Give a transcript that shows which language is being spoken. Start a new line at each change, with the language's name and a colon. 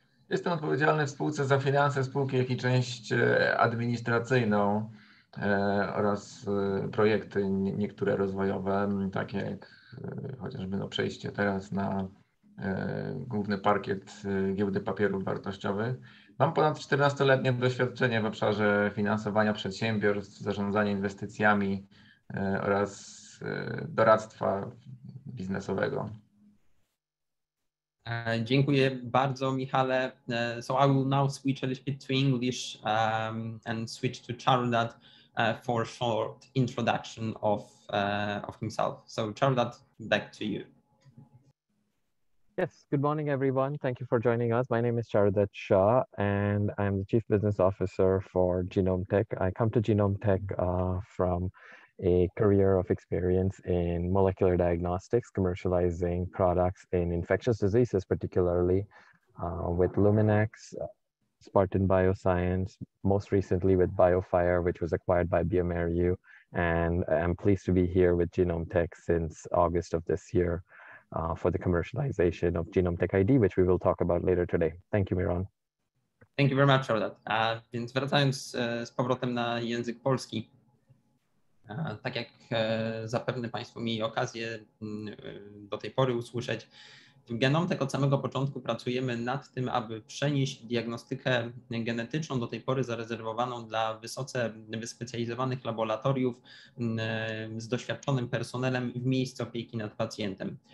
Polish: Jestem odpowiedzialny w spółce za finanse spółki, jak i część administracyjną oraz projekty niektóre rozwojowe, takie jak chociażby przejście teraz na główny parkiet giełdy papierów wartościowych. Mam ponad 14-letnie doświadczenie w obszarze finansowania przedsiębiorstw, zarządzania inwestycjami oraz doradztwa biznesowego. Dziękuję bardzo, Michale.
English: So I will now switch a little bit to English and switch to Czarodat for a short introduction of himself. So Czarodat, back to you. Yes, good morning, everyone. Thank you for joining us. My name is Czarodat Shah, and I'm the Chief Business Officer for Genomtech. I come to Genomtech from a career of experience in molecular diagnostics, commercializing products in infectious diseases, particularly with Luminex, Spartan Bioscience, most recently with BioFire, which was acquired by bioMérieux, and I'm pleased to be here with Genomtech since August of this year for the commercialization of Genomtech ID, which we will talk about later today. Thank you, Miron. Thank you very much, Czarodat.
Polish: A więc wracając z powrotem na język polski, tak jak zapewne Państwo mieli okazję do tej pory usłyszeć, w Genomtech od samego początku pracujemy nad tym, aby przenieść diagnostykę genetyczną do tej pory zarezerwowaną dla wysoce wyspecjalizowanych laboratoriów z doświadczonym personelem w miejsce opieki nad pacjentem.